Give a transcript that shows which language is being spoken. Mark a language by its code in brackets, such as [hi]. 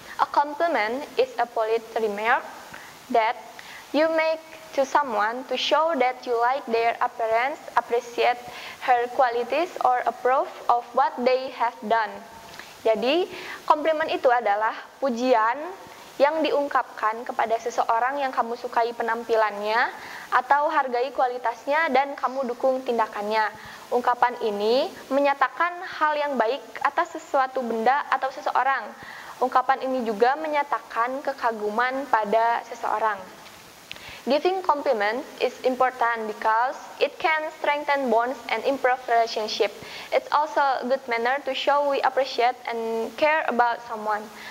[en] A compliment is a polite remark that you make to someone to show that you like their appearance, appreciate her qualities, or approve of what they have done. [id] Jadi, compliment itu adalah pujian yang diungkapkan kepada seseorang yang kamu sukai penampilannya atau hargai kualitasnya dan kamu dukung tindakannya. Ungkapan ini menyatakan hal yang baik atas sesuatu benda atau seseorang. Ungkapan ini juga menyatakan kekaguman pada seseorang. [en] Giving compliments is important because it can strengthen bonds and improve relationship. It's also a good manner to show we appreciate and care about someone.